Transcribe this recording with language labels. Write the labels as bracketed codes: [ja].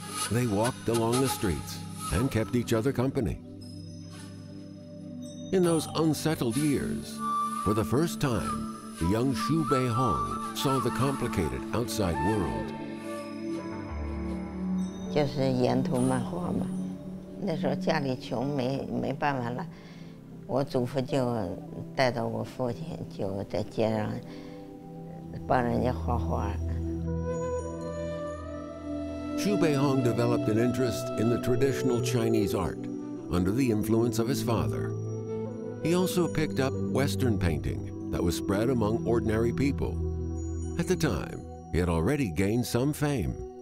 [en] They walked along the streets and kept each other company. In those unsettled years, for the first time, the young Xu Beihong saw the complicated outside world. [zh] 就是沿途漫画嘛，那时候家里穷，没办法了，我祖父就带到我父亲就在街上帮人家画画。 [en] Xu Beihong developed an interest in the traditional Chinese art under the influence of his father. He also picked up Western painting that was spread among ordinary people. At the time, he had already gained some fame.